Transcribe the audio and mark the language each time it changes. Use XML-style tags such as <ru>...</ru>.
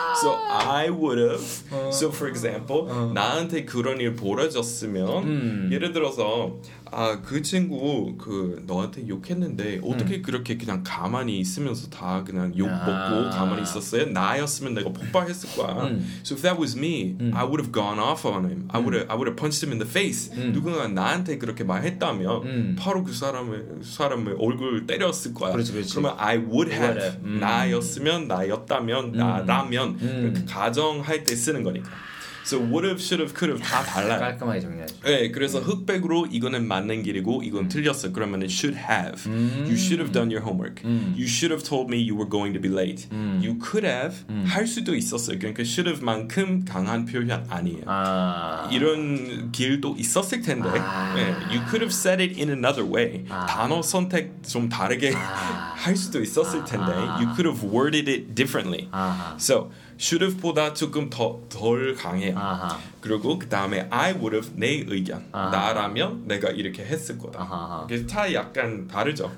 <en>So I would have. So for example,</en> <ko>나한테 그런 일 벌어졌으면 예를 들어서 아, 그 친구 그 너한테 욕했는데 어떻게 그렇게 그냥 가만히 있으면서 다 그냥 욕 먹고 가만히 있었어요? 나였으면 내가 폭발했을 거야.</ko> <en>So if that was me, I would have gone off on him. I would have punched him in the face.</en> <ko>누군가 나한테 그렇게 말했다면 바로 그 사람을 얼굴 때렸을 거야. 그렇지, 그렇지. 그러면</ko> <en>I would have.</en> <ko>나였으면 나였다면 나라면 그렇게 가정할 때 쓰는 거니까.</ko> <en>So would have, should have, could have</en> <ko>다 달라. 깔끔하게 정리하죠. 네, 그래서 흑백으로 이거는 맞는 길이고 이건 틀렸어. 그러면은</ko> <en>should have. You should have done your homework. You should have told me you were going to be late. You could have.</en> <ko>할 수도 있었어요. 그러니까 should have만큼 강한 표현 아니에요. 이런 길도 있었을 텐데.</ko> <en>네, you could have said it in another way.</en> <ko>단어 선택 좀 다르게 할 수도 있었을 텐데.</ko> <en>You could have worded it differently. So.</en> <ko>Should have보다 조금 덜 강해요. 아하. 그리고 그 다음에</ko> <en>I would have</en> <ko>내 의견. 아하. 나라면 내가 이렇게 했을 거다. 아하. 그래서 차이 약간 다르죠?</ko>